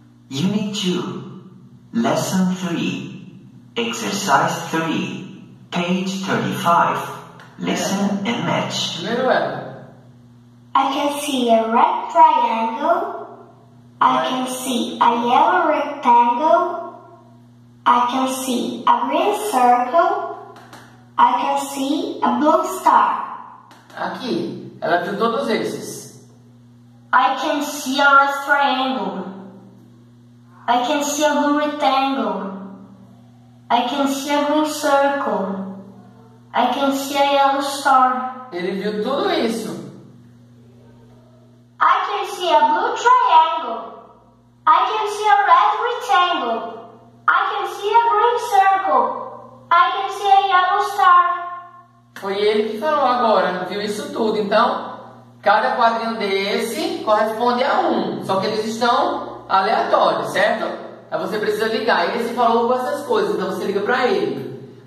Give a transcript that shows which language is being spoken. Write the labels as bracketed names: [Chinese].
[English] Unit 2, Lesson 3, Exercise 3, Page 35, Listen and Match. I can see a red triangle, I can see a yellow rectangle, I can see a green circle, I can see a blue star. [Portuguese] Aqui, ela viu todos esses. [English] I can see a red triangle. I can see a blue rectangle. I can see a green circle. I can see a yellow star. [Portuguese] Ele viu tudo isso. [English] I can see a blue triangle. I can see a red rectangle. I can see a green circle. I can see a yellow star. [Portuguese] Foi ele que falou agora, viu isso tudo. Então, cada quadrinho desse corresponde a um. Só que eles estão aleatório, certo? Aí você precisa ligar. Esse falou com essas coisas, então você liga pra ele.